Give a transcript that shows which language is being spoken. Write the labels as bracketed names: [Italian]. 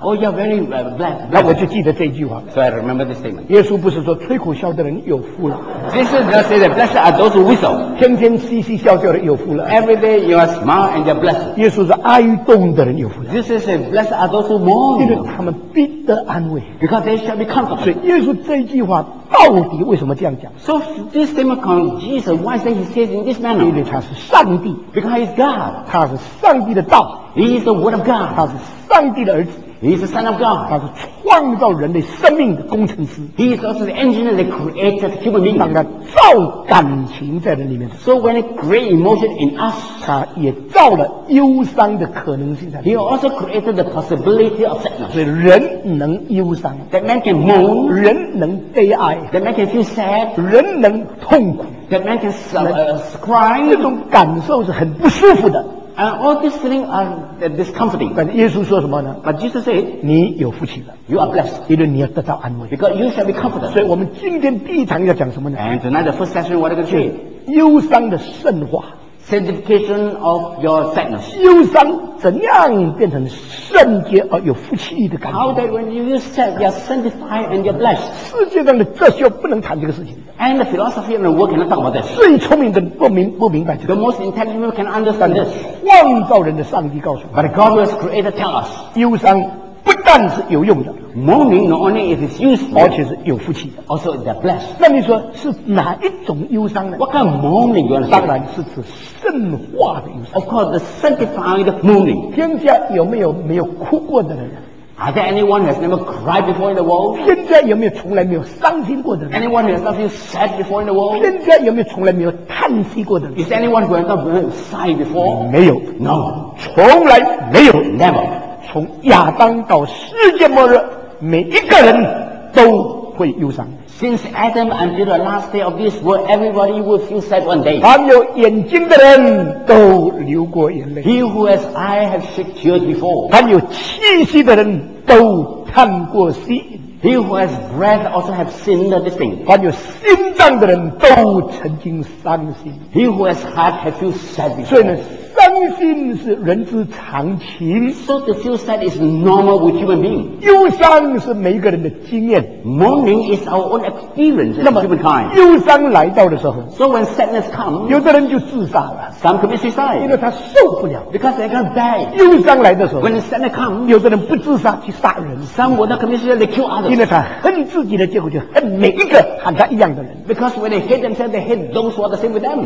[English] Oh, you're very blessed. [Chinese] 那我就记得这句话。 [English] So I remember this statement. [Chinese] 耶稣不是说吹口哨的人有福了。 [English] Jesus does say that blessed are those who whistle. [Chinese] 天天嘻嘻笑笑的有福了。 [English] Every day you are smile and you're blessed. [Chinese] 耶稣说哀痛的人有福了。 [English] Jesus says blessed are those who mourn. [Chinese] 因为他们必得安慰。 [English] Because they shall be comforted. [Chinese] 所以耶稣这句话到底为什么这样讲？ [English] So this statement comes Jesus, why does he say it in this manner? [Chinese] 因为他是上帝。 [English] Because he is God. [Chinese] 他是上帝的道。 [English] He is the word of God. [Chinese] 他是上帝的儿子。 [English] He is the son of God. [Chinese] 他是创造人类生命的工程师。 [English] He is also the engineer that created human beings. [Chinese] 当他造感情在人里面。 [English] So when he created emotion in us. [Chinese] 他也造了忧伤的可能性在里面。 [English] He also created the possibility of sadness. [Chinese] 所以人能忧伤。 [English] That man can mourn. [Chinese] 人能悲哀。 [English] That man can feel sad. [Chinese] 人能痛苦。 [English] That man can cry. [Chinese] 这种感受是很不舒服的。 [English] And all these feelings are discomforting. But Jesus said what? But Jesus said, [Chinese] 你有福气了。 [English] You are blessed. [Chinese] 因为你要得到安慰。 [English] Because you shall be comforted. [Chinese] 所以我们今天第一堂要讲什么呢？ [English] And tonight the first session, what are you going to [Chinese] say? 忧伤的圣化。 [English] Sanctification of your sadness. [Chinese] 忧伤怎样变成圣洁而有福气的感觉？ [English] How that when you said you are sanctified and you are blessed. [Chinese] 世界上的哲学不能谈这个事情。 [English] And the philosophy of the world cannot talk about this. [Chinese] 最聪明的不明白这个。 [English] The most intelligent people can understand this. [Chinese] 创造人的上帝告诉我们。 [English] But God has created tell us. [Chinese] 忧伤不但是有用的。 [English] Mourning not only is it useful, [Chinese] 而且是有福气的。 [English] Also they're blessed. [Chinese] 那你说是哪一种忧伤呢？ [English] What kind of mourning you understand? [Chinese] 当然是指圣化的忧伤。 [English] Of course, the sanctified mourning. [Chinese] 天下有没有没有哭过的人？ [English] Are there anyone who has never cried before in the world? [Chinese] 天下有没有从来没有伤心过的人？ [English] Anyone who has never sad before in the world? [Chinese] 天下有没有从来没有叹息过的人？ [English] Is anyone who has never sighed before? [Chinese] 没有。 [English] No. [Chinese] 从来没有。 [English] Never. [Chinese] 从亚当到世界末日，每一个人都会忧伤。 [English] Since Adam until the last day of this world, everybody will feel sad one day. [Chinese] 凡有眼睛的人都流过眼泪。 [English] He who has eye has shed tears before. [Chinese] 凡有气息的人都叹过息。 [English] He who has breath also have seen this thing. [Chinese] 凡有心脏的人都曾经伤心。 [English] He who has heart has feel sad before. [Chinese] 所以呢，伤心是人之常情。 [English] So to feel sad is normal with human being. [Chinese] 忧伤是每一个人的经验。 [English] Mourning is our own experience in humankind. [Chinese] 忧伤来到的时候。 [English] So when sadness comes. [Chinese] 有的人就自杀了。 [English] Some commit suicide. [Chinese] 因为他受不了。 [English] Because they can't bear it. [Chinese] 忧伤来的时候。 [English] When sadness comes. [Chinese] 有的人不自杀去杀人。 [English] Some will not commit suicide, they kill others. [Chinese] 因为他恨自己的，结果就恨每一个和他一样的人。 [English] Because when they hate themselves, they hate those who are the same with them.